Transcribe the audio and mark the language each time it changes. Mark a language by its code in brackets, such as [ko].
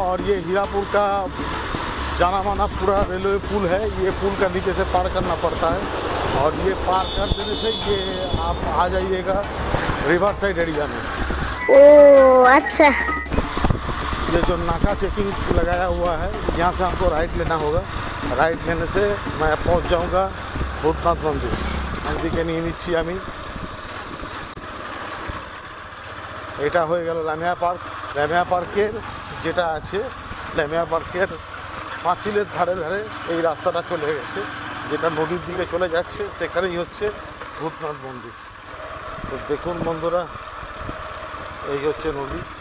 [hi] আর ইয়ে হীরাপুর কা জানা মানা পুরা রেলওয়ে পুল হ্যাঁ। পুল কে নিচে সে পার করনা পড়তা হয় আর ইয়ে পার কর দেনে সে ইয়ে আপ আ যাইয়েগা রিভার সাইড এরিয়া মে। ও আচ্ছা, ये जो नाका चेकिंग लगाया हुआ है यहाँ से हमको राइट लेना होगा। राइट लेने से मैं पहुँच जाऊँगा भूतनाथ मंदिर। मंदिर के नहीं निच्छी हमें। [bn] এটা হয়ে গেল রামিয়া পার্ক। রামিয়া পার্কের যেটা আছে রামিয়া পার্কের পাঁচিলের ধারে ধারে এই রাস্তাটা চলে গেছে, যেটা নদীর দিকে চলে যাচ্ছে সেখানেই হচ্ছে ভূতনাথ মন্দির। তো দেখুন বন্ধুরা, এই হচ্ছে নদী।